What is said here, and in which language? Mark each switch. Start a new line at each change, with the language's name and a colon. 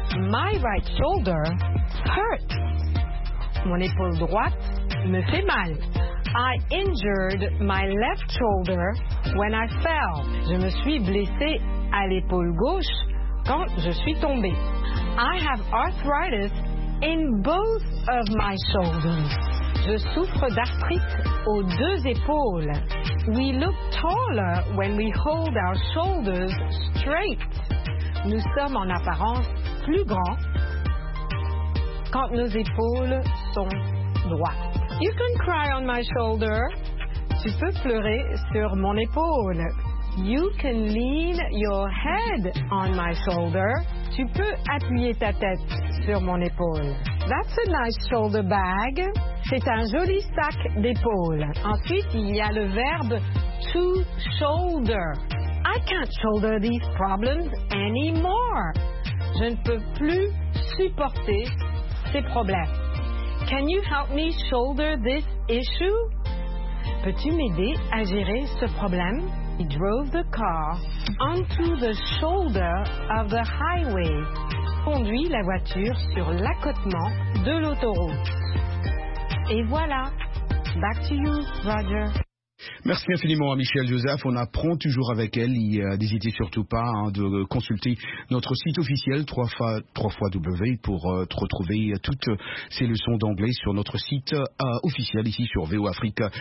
English: My right shoulder hurts.
French: Mon épaule droite me fait mal.
English: I injured my left shoulder when I fell.
French: Je me suis blessée à l'épaule gauche quand je suis tombée.
English: I have arthritis in both of my shoulders.
French: Je souffre d'arthrite aux deux épaules.
English: We look taller when we hold our shoulders straight.
French: Nous sommes en apparence plus grands quand nos épaules sont droites.
English: You can cry on my shoulder.
French: Tu peux pleurer sur mon épaule.
English: You can lean your head on my shoulder.
French: Tu peux appuyer ta tête sur mon épaule.
English: That's a nice shoulder bag.
French: C'est un joli sac d'épaule. Ensuite, il y a le verbe to shoulder.
English: I can't shoulder these problems anymore.
French: Je ne peux plus supporter ces problèmes.
English: Can you help me shoulder this issue?
French: Peux-tu m'aider à gérer ce problème?
English: He drove the car onto the shoulder of the highway.
French: Conduit la voiture sur l'accotement de l'autoroute. Et voilà.
English: Back to you, Roger.
French: Merci infiniment à Michèle Joseph. On apprend toujours avec elle. N'hésitez surtout pas de consulter notre site officiel www pour retrouver toutes ces leçons d'anglais sur notre site officiel ici sur VO Afrique.